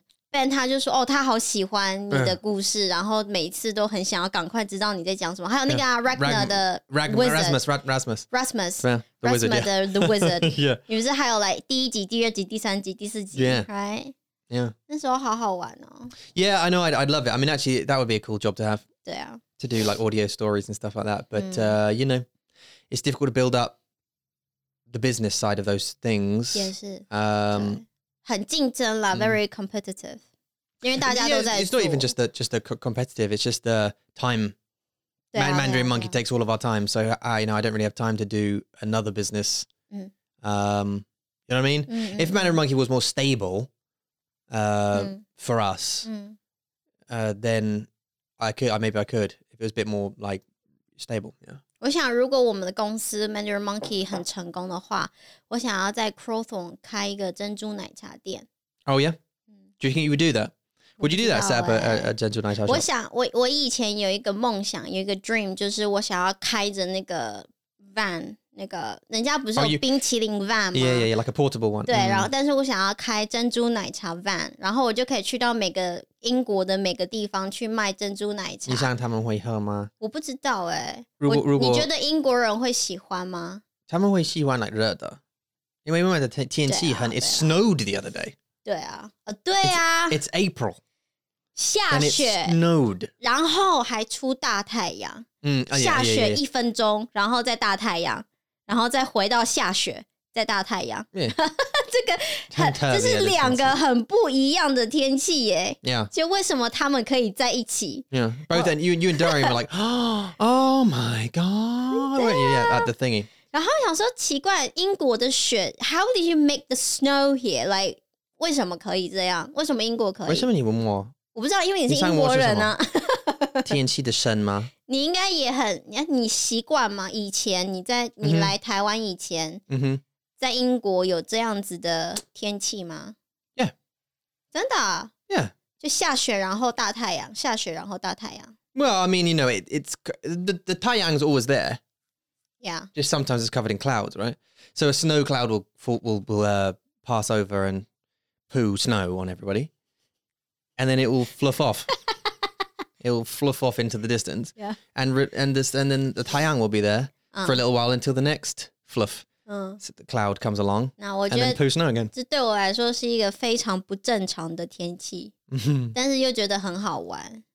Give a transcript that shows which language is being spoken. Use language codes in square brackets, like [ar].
[zh] Ben他就说，哦，他好喜欢你的故事， 然后每次都很想要赶快知道你在讲什么。还有那个啊， Ragnar的 Wizard [en] Rasmus the Wizard, yeah. The Wizard. Yeah. [zh] 你不是还有like第一集 第二集第三集 第四集。 [en] Yeah. Right. Yeah. [zh] 那时候好好玩哦。 [en] Yeah, I know, I'd love it. I mean, actually, that would be a cool job to have. [zh] 对啊。 [en] To do like audio stories and stuff like that. But you know, it's difficult to build up the business side of those things. [zh] 也是。很竞争啦, [en] very competitive. [zh] 因为大家都在做。 [en] It's not even just the competitive, it's just the time. [zh] 对啊, [en] Mandarin Monkey takes all of our time. So I don't really have time to do another business. You know what I mean? If Mandarin Monkey was more stable for us, then I could. If it was a bit more like stable, yeah. [zh] 我想如果我们的公司 Mandarin Monkey 很成功的话， 我想要在 Crawthorne 开一个珍珠奶茶店。 [en] Oh yeah? Do you think you would do that? Would you do that? Set up a 珍珠奶茶 shop? [zh] 我以前有一个梦想， 有一个 dream， 就是我想要开着那个 van， 那个人家不是有冰淇淋 van 吗？ [en] Yeah, like a portable one. [zh] 对，然后但是我想要开珍珠奶茶 van， 然后我就可以去到每个 英国的每个地方去卖珍珠奶茶。你想他们会喝吗? 我不知道欸。如果, 你觉得英国人会喜欢吗? 他们会喜欢热的。因为外面的天气很, [en] it snowed the other day. [zh] 对啊。 [en] It's April. [zh] 下雪。 [en] And it snowed. [zh] 然后还出大太阳。下雪一分钟, 然后再大太阳。然后再回到下雪, 再大太阳。这个这是两个很不一样的天气耶。就为什么他们可以在一起。 [en] Yeah. Both then, you and Darian were like, oh my god. Yeah, at the thingy. [zh] 然后想说奇怪,英国的雪, [en] how did you make the snow here? [zh] Like, 为什么可以这样? 为什么英国可以? 为什么你问我? 我不知道,因为你是英国人啊。天气的神吗? 你应该也很, 你习惯吗? 以前你在, 你来台湾以前。 Mm-hmm. 在英国有这样子的天气吗? [en] Yeah. [zh] 真的啊? [en] Yeah. [zh] 就下雪然后大太阳。 [en] Well, I mean, you know, it's the 太阳 is always there. Yeah. Just sometimes it's covered in clouds, right? So a snow cloud will pass over and poo snow on everybody. And then it will fluff off. It will fluff off into the distance. Yeah. And then the 太阳 will be there for a little while until the next fluff. So the cloud comes along and then poo snow again. [zh] 这对我来说是一个非常不正常的天气，但是又觉得很好玩。